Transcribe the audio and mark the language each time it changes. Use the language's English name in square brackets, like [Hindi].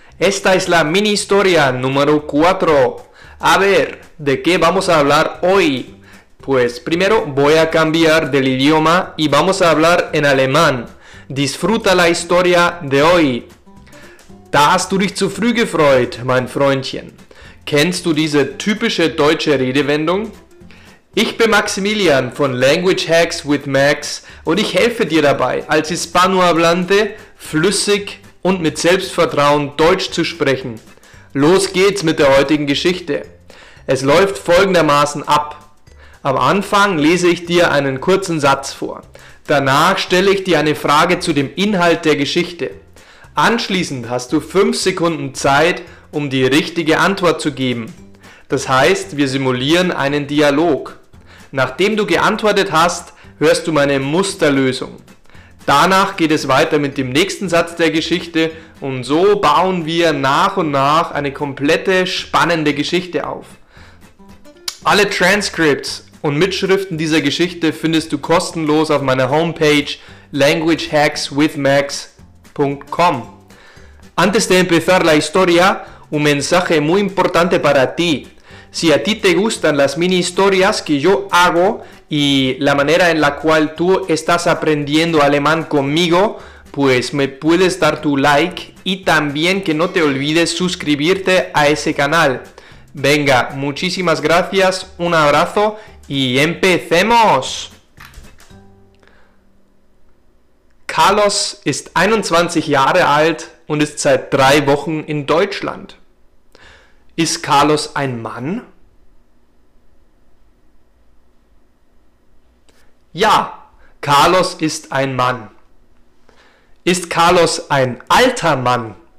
[Spanish] Esta es la mini historia número 4. A ver, ¿de qué vamos a hablar hoy? Pues primero voy a cambiar del idioma y vamos a hablar en alemán. Disfruta la historia de hoy. [German] Da hast du dich zu früh gefreut, mein Freundchen. Kennst du diese typische deutsche Redewendung? Ich bin Maximilian von Language Hacks with Max und ich helfe dir dabei, als Hispanohablante flüssig und mit Selbstvertrauen Deutsch zu sprechen. Los geht's mit der heutigen Geschichte. Es läuft folgendermaßen ab. Am Anfang lese ich dir einen kurzen Satz vor. Danach stelle ich dir eine Frage zu dem Inhalt der Geschichte. Anschließend hast du 5 Sekunden Zeit, um die richtige Antwort zu geben. Das heißt, wir simulieren einen Dialog. Nachdem du geantwortet hast, hörst du meine Musterlösung. Danach geht es weiter mit dem nächsten Satz der Geschichte und so bauen wir nach und nach eine komplette spannende Geschichte auf. Alle Transcripts und Mitschriften dieser Geschichte findest du kostenlos auf meiner Homepage languagehackswithmax.com. [Spanish] Antes de empezar la historia, un mensaje muy importante para ti. Si a ti te gustan las mini historias que yo hago y la manera en la cual tú estás aprendiendo alemán conmigo, pues me puedes dar tu like y también que no te olvides suscribirte a ese canal. Venga, muchísimas gracias, un abrazo y empecemos. [German] Carlos ist 21 Jahre alt und ist seit 3 Wochen in Deutschland. Ist Carlos ein Mann? Ja, Carlos ist ein Mann. Ist Carlos ein alter Mann?